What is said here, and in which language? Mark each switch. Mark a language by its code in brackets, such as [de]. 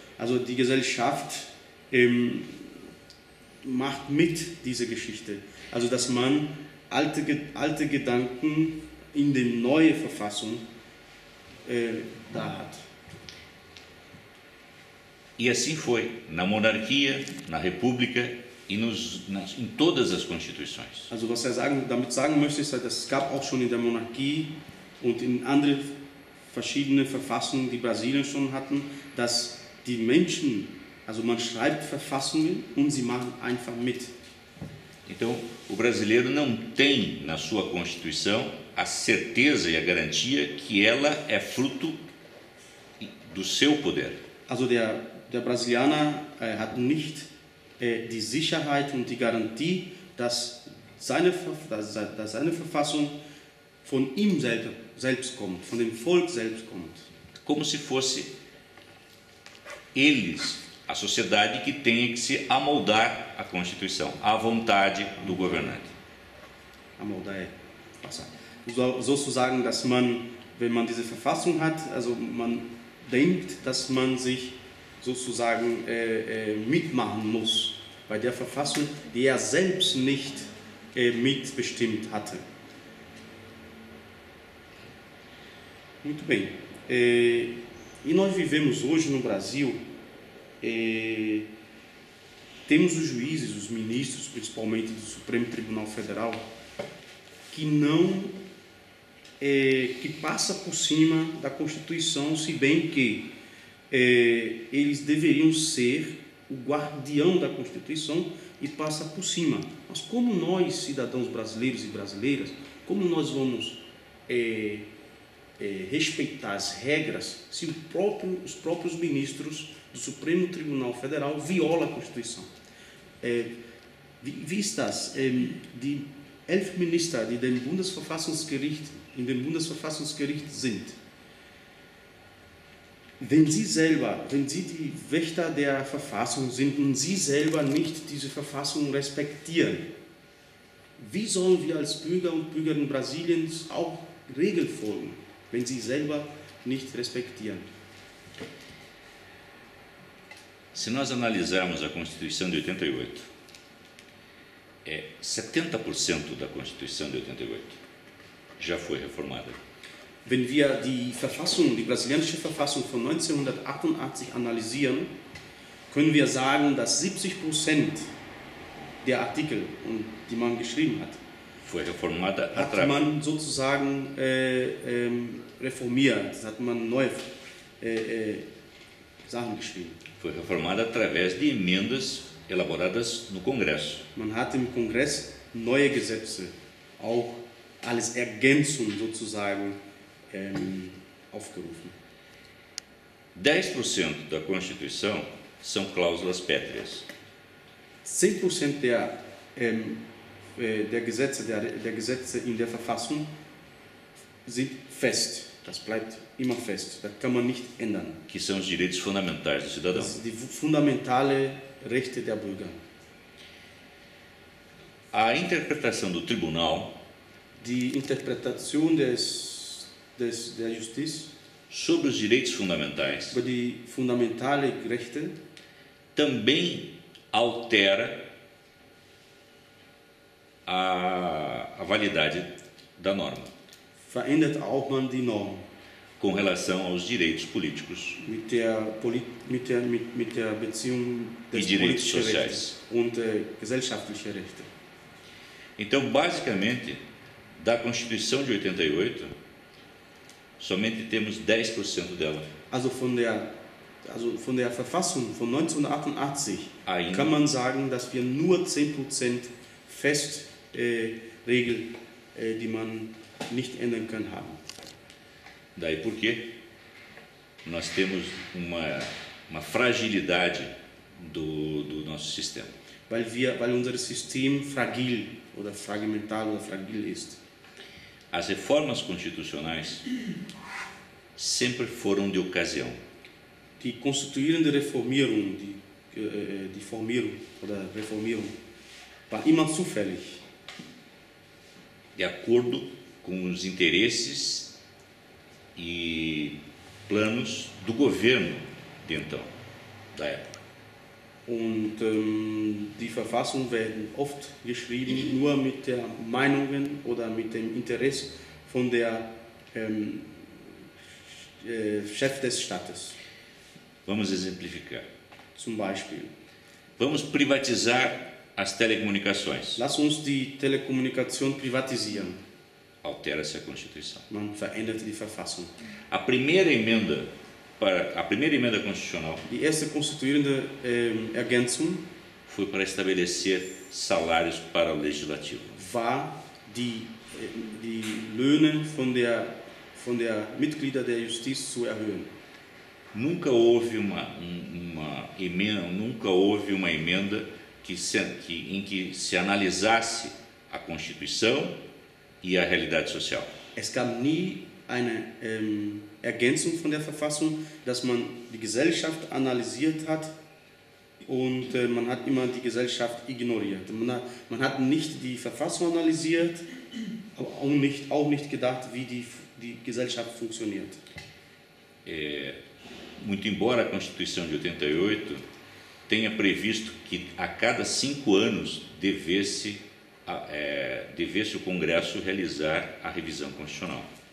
[de] Also die Gesellschaft macht mit dieser Geschichte. Also dass man alte Gedanken in die neue Verfassung da hat. [pt] E assim foi na monarquia, na república e em todas as constituições. [de] Also [pt] você [de] sagen, damit sagen möchte ich, das gab auch schon in der Monarchie und in andere verschiedene Verfassungen, die Brasilien schon hatten, dass die Menschen, also man schreibt Verfassungen und sie machen einfach mit. [pt] Então, o brasileiro não tem na sua Constituição a certeza e a garantia que ela é fruto do seu poder. [de] Also der Brasilianer hat nicht die Sicherheit und die Garantie, dass seine Verfassung von ihm selbst kommt, von dem Volk selbst kommt. [pt] Como se fosse eles, a sociedade, que tenha que se amoldar à Constituição, à vontade do governante. Amoldar é passar. [de] Sozusagen, dass man, wenn man diese Verfassung hat, also man denkt, dass man sich sozusagen mitmachen muss bei der Verfassung, die selbst nicht mitbestimmt hatte. [pt] Muito bem. E nós vivemos hoje no Brasil, temos os juízes, os ministros, principalmente do Supremo Tribunal Federal, que não que passa por cima da Constituição, se bem que eles deveriam ser o guardião da Constituição e passa por cima. Mas como nós, cidadãos brasileiros e brasileiras, como nós vamos respeitar as regras se os próprios ministros do Supremo Tribunal Federal violam a Constituição? [de] Vistas de 11 Minister, die dem Bundesverfassungsgericht sind, Wenn Sie selber, wenn Sie die Wächter der Verfassung sind und Sie selber nicht diese Verfassung respektieren, wie sollen wir als Bürger und Bürgerinnen Brasiliens auch Regeln folgen, wenn Sie selber nicht respektieren? [pt] Se nós analisarmos a Constituição de 88, 70% da Constituição de 88 já foi reformada. [de] Wenn wir die Verfassung, die brasilianische Verfassung von 1988 analysieren, können wir sagen, dass 70% der Artikel, die man geschrieben hat, [pt] foi reformada [de] hat man sozusagen reformiert, das hat man neue Sachen geschrieben. [pt] Foi reformada através de emendas elaboradas no Congresso. [de] Man hat im Kongress neue Gesetze, auch als Ergänzung sozusagen, aufgerufen. [pt] 10% da Constituição são cláusulas pétreas. [de] 10% der, der Gesetze in der Verfassung sind fest. Das bleibt immer fest, das kann man nicht ändern. [pt] Que são os direitos fundamentais do cidadão. [de] Das sind die fundamentale Rechte der Bürger. [pt] A interpretação do tribunal, [de] die Interpretation der Justiz [pt] sobre os direitos fundamentais, [de] über die fundamentale Rechte, [pt] também altera a validade da norma. [de] Verändert auch man die Norm. [pt] Com relação aos direitos políticos [de] mit der Beziehung [pt] des e direitos sociais. [de] Und, gesellschaftliche Rechte. [pt] Então, basicamente, da Constituição de 88, somente temos 10% dela. [de] Also von der Verfassung von 1988 [pt] ainda [de] kann man sagen, dass wir nur 10% fest Regel, die man nicht ändern kann, haben. [pt] Daí porque nós temos uma fragilidade do nosso sistema. [de] Weil unser System fragil oder fragmental oder fragil ist. [pt] As reformas constitucionais sempre foram de ocasião. [de] Die konstituierende Reformierung, die formieren oder reformieren, war immer zufällig. [pt] De acordo com os interesses e planos do governo de então, da época. [de] Und die Verfassungen werden oft geschrieben nur mit der Meinungen oder mit dem Interesse von der Chef des Staates. [pt] Vamos exemplificar. [de] Zum Beispiel. [pt] Vamos privatizar as telecomunicações. [de] Lass uns die Telekommunikation privatisieren. [pt] Altera-se a Constituição. [de] Man verändert die Verfassung. [pt] A primeira emenda para a primeira emenda constitucional. [de] Die erste konstituierende Ergänzung [pt] foi para estabelecer salários para o legislativo. [de] War die Löhne von der Mitglieder der Justiz zu erhöhen. [pt] Nunca houve uma emenda que se analisasse a Constituição e a realidade social. [de] Es gab nie eine Ergänzung von der Verfassung, dass man die Gesellschaft analysiert hat und man hat immer die Gesellschaft ignoriert. Man hat nicht die Verfassung analysiert, aber auch nicht gedacht, wie die Gesellschaft funktioniert. [pt] Muito embora a Constituição de 88 tenha previsto que a cada 5 anos devesse o Congresso realizar a revisão constitucional.